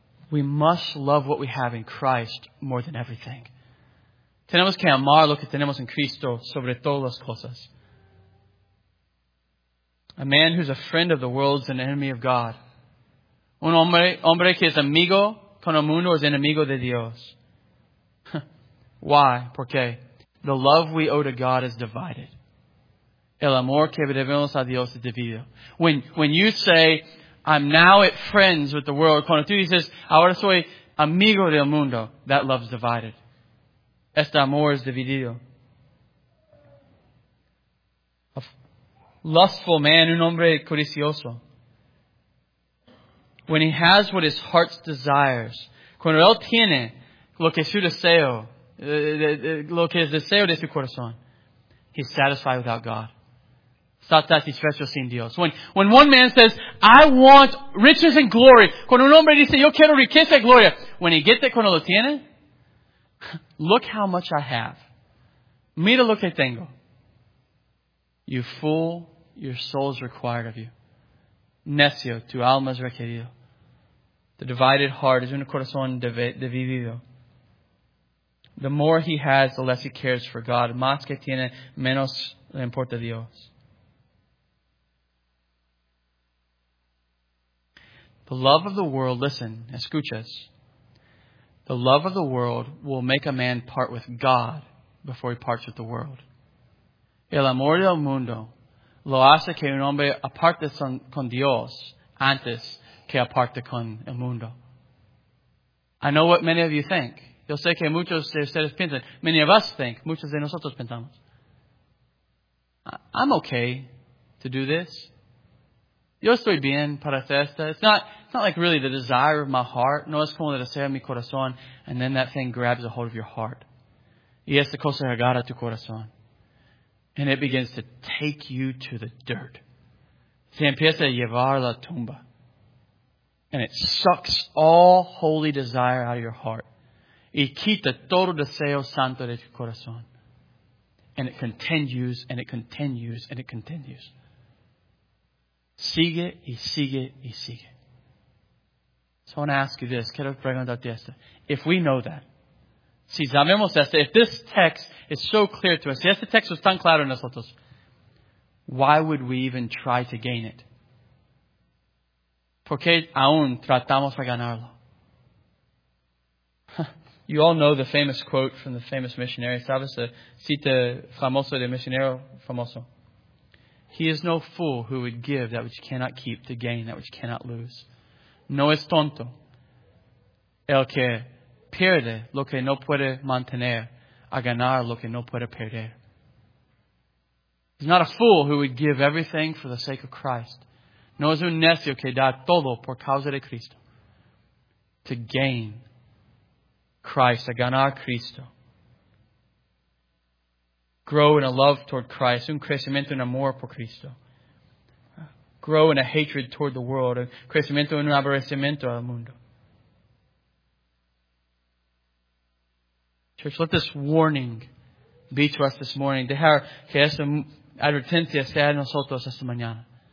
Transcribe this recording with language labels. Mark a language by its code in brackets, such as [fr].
[en] We must love what we have in Christ more than everything. [es] Tenemos que amar lo que tenemos en Cristo sobre todas las cosas. [en] A man who's a friend of the world is an enemy of God. [es] Un hombre que es amigo con el mundo es enemigo de Dios. [en] Why? [es] ¿Por qué? [en] The love we owe to God is divided. [es] El amor que debemos a Dios es dividido. [en] When you say, I'm now at friends with the world, [es] cuando tú dices, ahora soy amigo del mundo, [en] that love is divided. [es] Este amor es dividido. [en] A lustful man, [es] un hombre codicioso. [en] When he has what his heart desires, [es] cuando él tiene lo que su deseo, lo que es deseo de su corazón, [en] he's satisfied without God. [es] Está satisfecho sin Dios. [en] When one man says, I want riches and glory, [es] cuando un hombre dice, yo quiero riqueza y gloria, [en] when he gets it, [es] cuando lo tiene, [en] look how much I have. [es] Mira lo que tengo. [en] You fool, your soul is required of you. [es] Necio, tu alma es requerido. [en] The divided heart is [es] un corazón dividido. [en] The more he has, the less he cares for God. [es] Más que tiene, menos le importa Dios. [en] The love of the world, listen, [es] escuchas. [en] The love of the world will make a man part with God before he parts with the world. [es] El amor del mundo lo hace que un hombre aparte con Dios antes que aparte con el mundo. [en] I know what many of you think. [es] Yo sé que muchos de ustedes piensan. [en] Many of us think. [es] Muchos de nosotros pensamos. [en] I'm okay to do this. [es] Yo estoy bien para hacer esto. [en] It's not like really the desire of my heart. [es] No es como el deseo de mi corazón. [en] And then that thing grabs a hold of your heart. [es] Y es la cosa que agarra tu corazón. [en] And it begins to take you to the dirt. [es] Se empieza a llevar la tumba. [en] And it sucks all holy desire out of your heart. [es] Y quita todo deseo santo de tu corazón. [en] And it continues, and it continues, and it continues. [es] Sigue y sigue y sigue. [en] So I want to ask you this. [es] Quiero preguntarte esto. [en] If we know that. [es] Si sabemos esto. [en] If this text is so clear to us. [es] Si este texto es tan claro en nosotros. [en] Why would we even try to gain it? [es] ¿Por qué aún tratamos de ganarlo? [en] You all know the famous quote from the famous missionary. [es] ¿Sabes la cita famosa del misionero famoso? [en] He is no fool who would give that which cannot keep to gain that which cannot lose. [es] No es tonto el que pierde lo que no puede mantener a ganar lo que no puede perder. [en] He's not a fool who would give everything for the sake of Christ. [es] No es un necio que da todo por causa de Cristo. [en] To gain Christ, [es] a ganar Cristo. [en] Grow in a love toward Christ. [es] Un crecimiento en amor por Cristo. [en] Grow in a hatred toward the world. [es] Un crecimiento en un aborrecimiento al mundo. [en] Church, let this warning be to us this morning. [es] Dejar que esta advertencia sea en nosotros esta mañana.